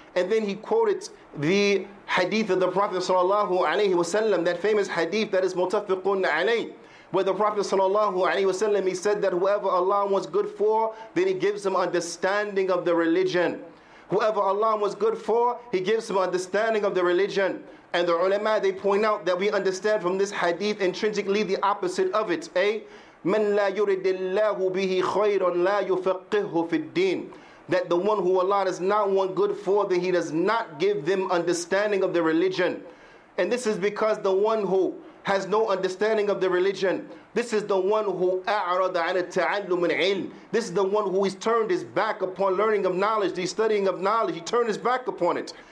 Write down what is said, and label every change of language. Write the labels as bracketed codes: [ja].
[en] And then he quoted the hadith of the Prophet sallallahu alayhi wasallam, that famous hadith that is mutafiqun alayhi, where the Prophet sallallahu alayhi wasallam, he said that whoever Allah was good for, then he gives him understanding of the religion. Whoever Allah was good for, he gives him understanding of the religion. And the ulama, they point out that we understand from this hadith intrinsically the opposite of it. [ar] من لا يرد الله به خير لا يفقهه في الدين. [en] That the one who Allah does not want good for, then he does not give them understanding of the religion. And this is because the one who has no understanding of the religion, this is the one who [ar] أعرض عن التعلم العلم. [en] This is the one who has turned his back upon learning of knowledge, the studying of knowledge. He turned his back upon it.